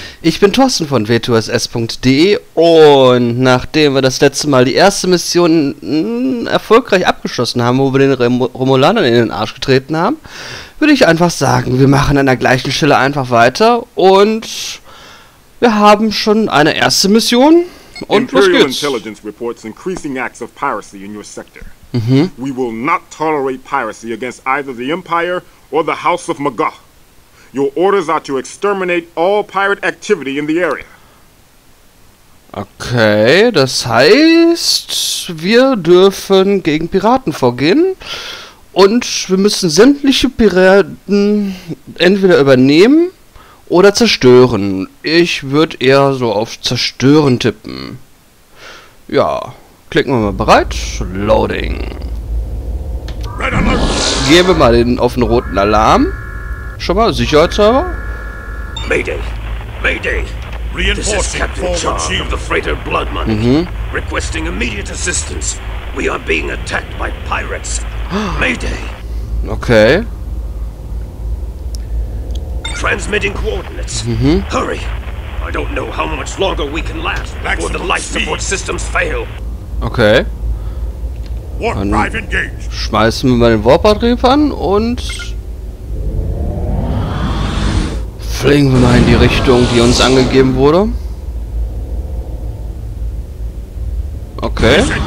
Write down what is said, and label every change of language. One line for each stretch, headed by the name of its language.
German: Ich bin Thorsten von w2ss.de und nachdem wir das letzte Mal die erste Mission erfolgreich abgeschlossen haben, wo wir den Romulanern in den Arsch getreten haben, würde ich einfach sagen, wir machen an der gleichen Stelle einfach weiter und wir haben schon eine erste Mission und los geht's.
English: Imperial Intelligence reports increasing acts of piracy in your sector. We will not tolerate piracy against either the Empire or the House of Magoth. Your orders are to exterminate all pirate activity in the area.
German: Okay, das heißt, wir dürfen gegen Piraten vorgehen und wir müssen sämtliche Piraten entweder übernehmen oder zerstören. Ich würde eher so auf zerstören tippen. Ja. Klicken wir mal bereit. Loading. Geben wir mal den offenen roten Alarm. Schon mal, Sicherheitsserver.
English: Mayday. Mayday. Reinforcing Captain Char of the Freighter Blood Money. Requesting immediate assistance. We are being attacked by pirates. Mayday. Okay. Transmitting coordinates. Hurry. I don't know how much longer we can last before the life support systems fail. Okay.
German: Dann schmeißen wir mal den Warp-Antrieb an und fliegen wir mal in die Richtung, die uns angegeben wurde. Okay.